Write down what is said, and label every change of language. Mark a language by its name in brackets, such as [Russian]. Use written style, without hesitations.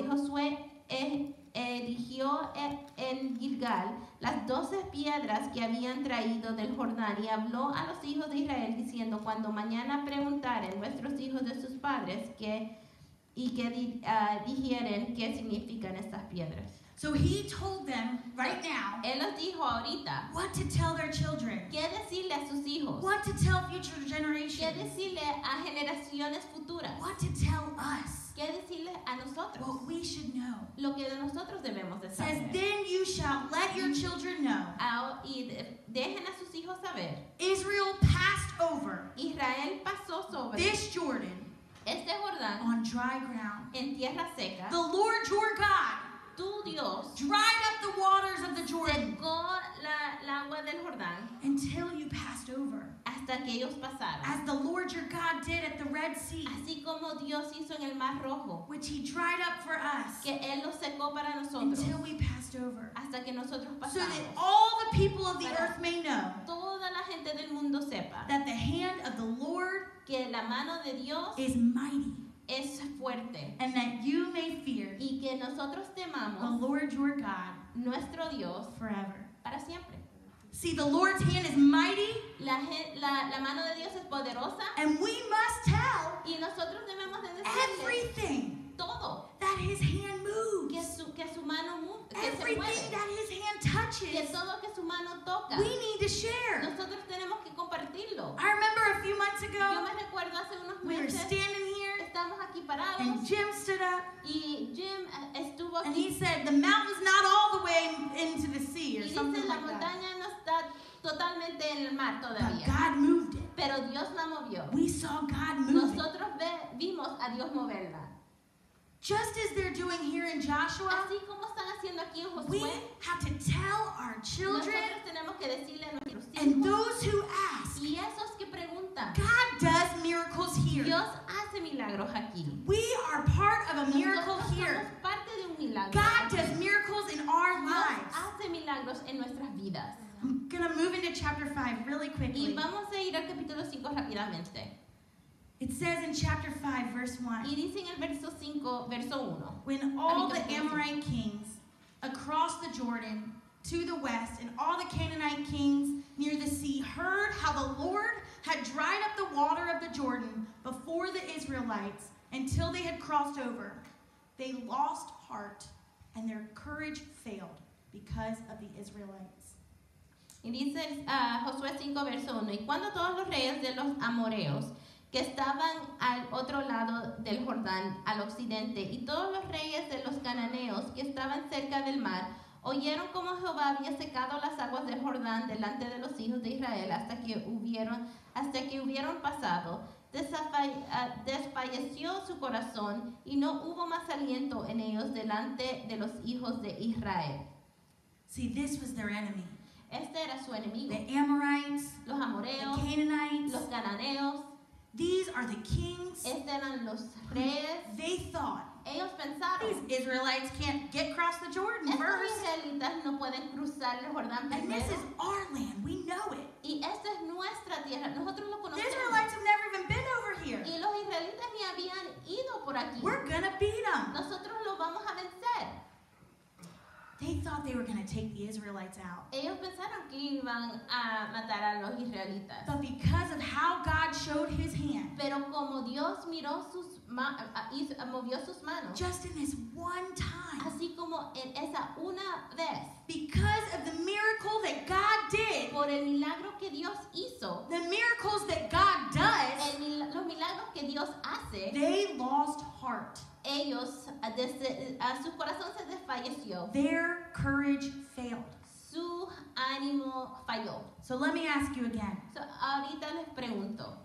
[Spanish] Y Josué erigió en Gilgal las 12 piedras que habían traído del Jordán y habló a los hijos de Israel diciendo, cuando mañana preguntaren nuestros hijos de sus padres que, y que dijeren qué significan estas piedras. [English] So he told them right now. [Spanish] Él los dijo ahorita. [English] What to tell their children? [Spanish] ¿Qué decirle a sus hijos? [English] What to tell future generations? [Spanish] ¿Qué decirle a generaciones futuras? [English] What to tell us? [Spanish] ¿Qué decirle a nosotros? [English] What we should know. [Spanish] Lo que de nosotros debemos de saber. [English] Says then you shall let your children know. [Spanish] Y dejen a sus hijos saber. [English] Israel passed over. [Spanish] Israel pasó sobre. [English] This Jordan. [Spanish] Este Jordán. [English] On dry ground. [Spanish] En tierra seca. [English] The Lord your God. [Spanish] Tu Dios [English] dried up the waters of the Jordan. [Spanish] Secó la agua del Jordán. [English] Until you passed over. [Spanish] Hasta que ellos pasaron. [English] As the Lord your God did at the Red Sea. [Spanish] Así como Dios hizo en el Mar Rojo. [English] Which he dried up for us. [Spanish] Que él lo secó para nosotros. [English] Until we passed over. [Spanish] Hasta que nosotros pasamos. [English] So that all the people of the earth may know. [Spanish] Toda la gente del mundo sepa. [English] That the hand of the Lord. [Spanish] Que la mano de Dios. [English] Is mighty. [Spanish] Es fuerte. [English] And that you may fear [Spanish] y que nosotros temamos [English] the Lord your God [Spanish] nuestro Dios [English] forever. [Spanish] Para siempre. [English] See, the Lord's hand is mighty. [Spanish] La mano de Dios es poderosa. [English] And we must tell [Spanish] y nosotros debemos de decirle [English] everything [Spanish] todo [English] that his hand moves. [Spanish] Que su mano [English] everything that his hand touches, we need to share. [Spanish] Nosotros tenemos que compartirlo. [English] I remember a few months ago, [Spanish] yo me recuerdo hace unos meses, [English] we were standing here, [Spanish] estamos aquí parados, [English] and Jim stood up, [Spanish] y Jim estuvo [English] and [Spanish] aquí. [English] He said, the mountain's not all the way into the sea, or [Spanish] y [English] something [Spanish] dice, [English] like [Spanish] la montaña [English] that. [Spanish] No está totalmente en el mar todavía. [English] But God moved it. [Spanish] Pero Dios la movió. [English] We saw God move [Spanish] nosotros [English] it. [Spanish] Vimos a Dios moverla. [English] Just as they're doing here in Joshua, [Spanish] así como están haciendo aquí en Josué, [English] we have to tell our children [Spanish] nosotros tenemos que decirle a nuestros hijos, [English] and those who ask, [Spanish] y esos que preguntan, [English] God does miracles here. [Spanish] Dios hace milagros aquí. [English] We are part of a miracle here. [Spanish] Somos parte de un milagro. [English] God does miracles in our lives. [Spanish] Dios hace milagros en nuestras vidas. [English] I'm going to move into chapter 5 really quickly. [Spanish] Y vamos a ir al capítulo 5 rápidamente. [English] It says in chapter 5, verse 1. [Spanish] Y dice en el verso 5, verso 1. [English] When all the Amorite kings across the Jordan to the west and all the Canaanite kings near the sea heard how the Lord had dried up the water of the Jordan before the Israelites until they had crossed over, they lost heart and their courage failed because of the Israelites. [Spanish] Y dice Josué 5, verso 1. Y cuando todos los reyes de los Amoreos que estaban al otro lado del Jordán, al occidente, y todos los reyes de los cananeos que estaban cerca del mar, oyeron cómo Jehová había secado las aguas del Jordán delante de los hijos de Israel hasta que hubieron pasado, desfalleció su corazón y no hubo más aliento en ellos delante de los hijos de Israel. [English] See, this was their enemy. [Spanish] Este era su enemigo. [English] The Amorites, [Spanish] los amoreos, [English] the Canaanites, [Spanish] los cananeos. [English] These are the kings. [Spanish] Este eran los reyes. [English] They thought. [Spanish] Ellos pensaron. [English] These Israelites can't get across the Jordan first. [Spanish] Estos israelitas no pueden cruzar el Jordán primero. [English] And this is our land. We know it. [Spanish] Y esta es nuestra tierra. Nosotros lo conocemos. [English] The Israelites have never even been over here. [Spanish] Y los israelitas ni habían ido por aquí. [English] We're gonna beat them. [Spanish] Nosotros los vamos a vencer. [English] They thought they were going to take the Israelites out. [Spanish] Ellos pensaron que iban a matar a los israelitas. [English] But because of how God showed his hand. [Spanish] Pero como Dios miró sus movió sus manos. [English] Just in this one time. [Spanish] Así como en esa una vez. [English] Because of the miracle that God did. [Spanish] Por el milagro que Dios hizo. [English] The miracles that God does. [Spanish] Los milagros que Dios hace. [English] They lost heart. [Spanish] Ellos, su corazón se desfalleció. [English] Their courage failed. [Spanish] Su ánimo falló. [English] So let me ask you again. [Spanish] So ahorita les pregunto.